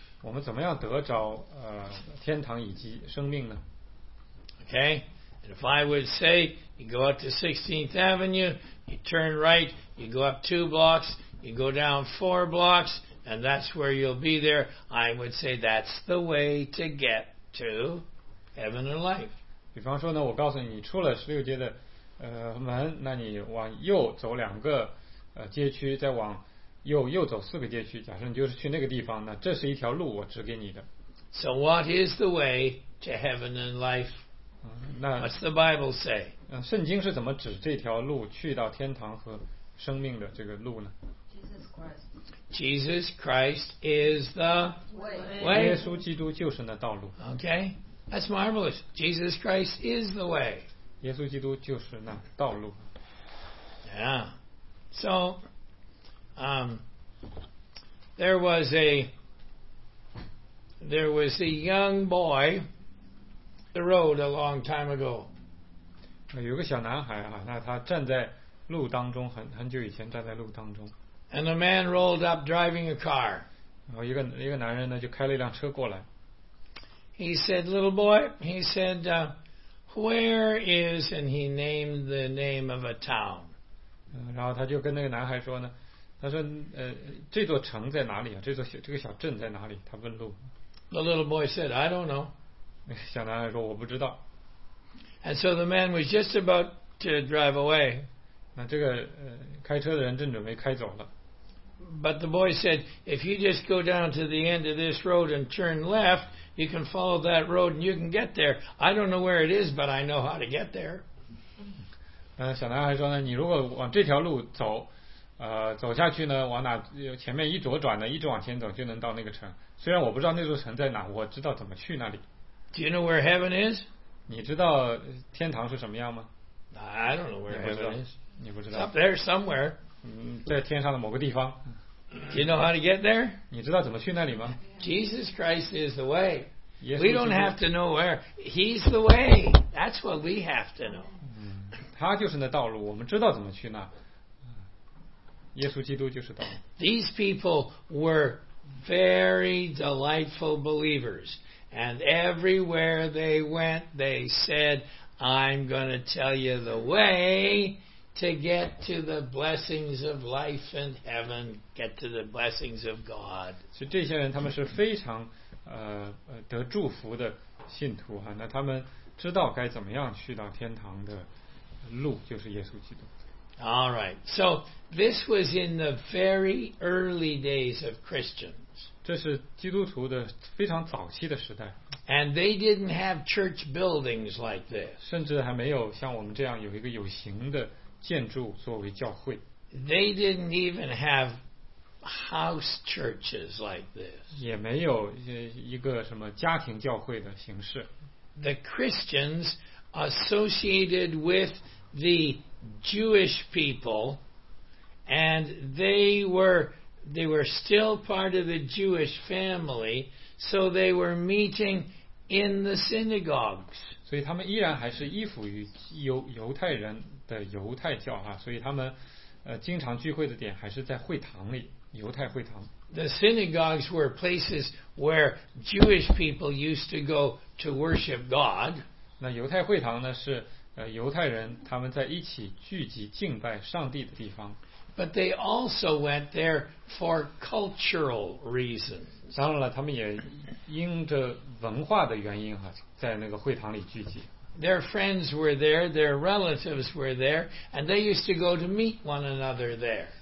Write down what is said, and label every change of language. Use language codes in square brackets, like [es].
[zh] 我们怎么样得着天堂以及生命呢？ [en] Okay, and if I would say you go up to 16th Avenue, you turn right, you go up 2 blocks, you go down 4 blocks, and that's where you'll be there, I would say that's the way to get to heaven and life. [zh] 比方说呢，我告诉你，你出了十六街的门，那你往右走两个街区，再往右走四个街区，假设你就是去那个地方，那这是一条路我指给你的。 [en] So what is the way to heaven and life? What's the Bible say? [zh] 圣经是怎么指这条路去到天堂和生命的这个路呢？ [en] Jesus Christ is the way. [zh] 耶稣基督就是那道路。 [en] Okay, that's marvelous. Jesus Christ is the way. [zh] 耶稣基督就是那道路。 [en] Yeah, so there was a young boy the road a long time ago. [zh] 有个小男孩啊，那他站在路当中，很久以前站在路当中。 [en] And a man rolled up driving a car. [zh] 然后一个男人呢就开了一辆车过来。 [en] He said, little boy, he said, where is, and he named the name of a town. [zh] 然后他就跟那个男孩说呢，他说这座城在哪里啊，这个小镇在哪里，他问路。 [en] The little boy said, I don't know. [zh] 小男孩说我不知道。 [en] And so the man was just about to drive away. [zh] 那这个开车的人正准备开走了。 [en] But the boy said, if you just go down to the end of this road and turn left, you can follow that road and you can get there. I don't know where it is, but I know how to get there. [zh] 小男孩说呢，你如果往这条路走，走下去呢，往哪前面一左转呢，一直往前走就能到那个城。虽然我不知道那座城在哪，我知道怎么去那里。 [en] Do you know where heaven is? [zh] 你知道天堂是什么样吗？ [en] I don't know where heaven is. [zh] 你不知道。 [en] It's up there somewhere. [zh] 在天上的某个地方。 [en] Do you know how to get there? [zh] 你知道怎么去那里吗？ [en] Jesus Christ is the way. We don't have to know where. He's the way. That's what we have to know. [zh] 他就是那道路，我们知道怎么去那。耶稣基督就是道路。 [en] These people were very delightful believers. And everywhere they went, they said, I'm going to tell you the way to get to the blessings of life and heaven, get to the blessings of God. [zh] 所以这些人他们是非常得祝福的信徒啊，那他们知道该怎么样去到天堂的路，就是耶稣基督。 [en] All right. So this was in the very early days of Christians. [zh] 这是基督徒的非常早期的时代。 [en] And they didn't have church buildings like this. [zh] 甚至还没有像我们这样有一个有形的建筑作为教会。 [en] They didn't even have house churches like this. [zh] 也没有一个什么家庭教会的形式。 [en] The Christians associated with the Jewish people, and they were still part of the Jewish family, so they were meeting in the synagogues. [zh] 所以他们依然还是依附于犹太人的犹太教啊，所以他们经常聚会的点还是在会堂里，犹太会堂。 [en] The synagogues were places where Jewish people used to go to worship God. [zh] 那犹太会堂呢是犹太人他们在一起聚集敬拜上帝的地方。 [en] But they also went there for cultural reasons. [zh] 当然了，他们也因着文化的原因哈，在那个会堂里聚集。 [en] Their friends were there, their relatives were there, and they used to go to meet one another there.